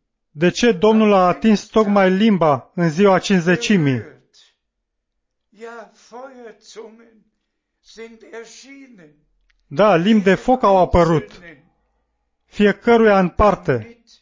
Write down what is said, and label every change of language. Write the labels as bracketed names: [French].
[Romanian] De ce Domnul a atins tocmai limba în ziua cincizecimii? [German] Ja, Feuerzungen sind erschienen. [Romanian] Da, limbi de foc au apărut fiecăruia în parte.